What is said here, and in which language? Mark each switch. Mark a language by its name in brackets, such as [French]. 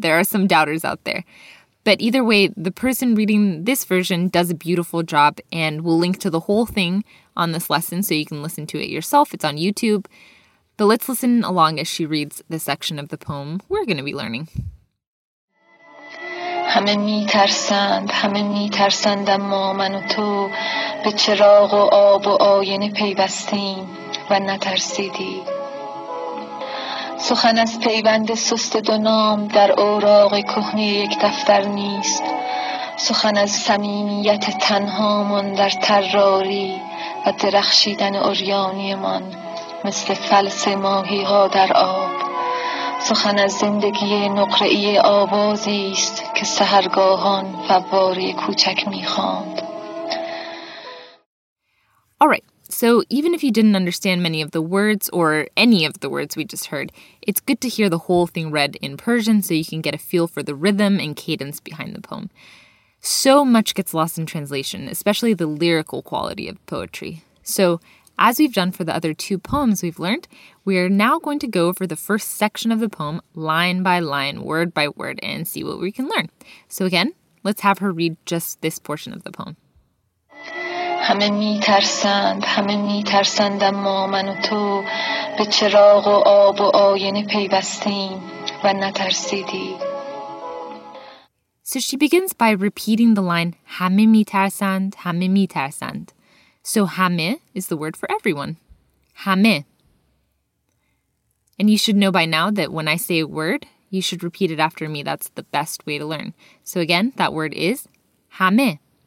[English] There are some doubters out there. But either way, the person reading this version does a beautiful job, and we'll link to the whole thing on this lesson so you can listen to it yourself. It's on YouTube. But let's listen along as she reads the section of the poem we're going to be learning. [Persian] همه میترسند همه میترسند اما من و تو به چراغ و آب و آینه پیوستیم و نترسیدی سخن از پیوند سست دو نام در اوراق کهنه یک دفتر نیست سخن از صمیمیت تنهامان در طراری و درخشیدن عریانیمان مثل فلس ماهی ها در آب سخن از زندگی نقره‌ای آوازی است که سحرگاهان فواره کوچک می‌خواند. [English] All right. So even if you didn't understand many of the words or any of the words we just heard, it's good to hear the whole thing read in Persian so you can get a feel for the rhythm and cadence behind the poem. So much gets lost in translation, especially the lyrical quality of poetry. So as we've done for the other two poems we've learned, we are now going to go over the first section of the poem, line by line, word by word, and see what we can learn. So again, let's have her read just this portion of the poem. [Persian] همه میترسند، همه میترسند اما من و تو به چراغ و آب و آینه پیوستیم و نترسیدی. [English] So she begins by repeating the line, [Persian] همه میترسند، همه میترسند. [English] So hame is the word for everyone. Hame. And you should know by now that when I say a word, you should repeat it after me. That's the best way to learn. So again, that word is hame.